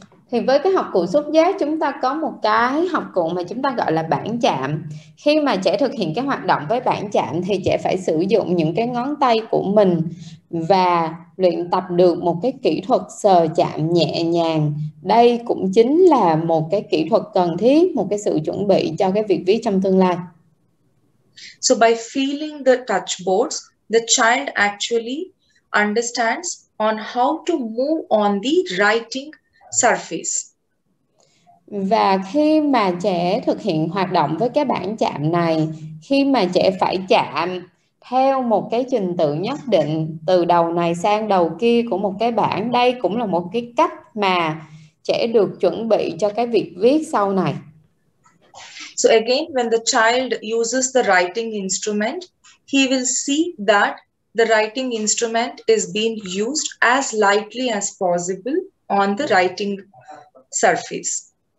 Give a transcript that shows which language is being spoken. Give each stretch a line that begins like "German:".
Vietnamese: Thì với cái học cụ xúc giác, chúng ta có một cái học cụ mà chúng ta gọi là bản chạm. Khi mà trẻ thực hiện cái hoạt động với bản chạm thì trẻ phải sử dụng những cái ngón tay của mình và luyện tập được một cái kỹ thuật sờ chạm nhẹ nhàng. Đây cũng chính là một cái kỹ thuật cần thiết, một cái sự chuẩn bị cho cái việc viết trong tương lai.
English: So by feeling the touch boards, the child actually understands on how to move on the writing surface.
Vietnamese: Và khi mà trẻ thực hiện hoạt động với cái bảng chạm này, khi mà trẻ phải chạm theo một cái trình tự nhất định từ đầu này sang đầu kia của một cái bảng, đây cũng là một cái cách mà trẻ được chuẩn bị cho cái việc viết sau này.
English: So again, when the child uses the writing instrument, he will see that the writing instrument is being used as lightly as possible on the writing surface.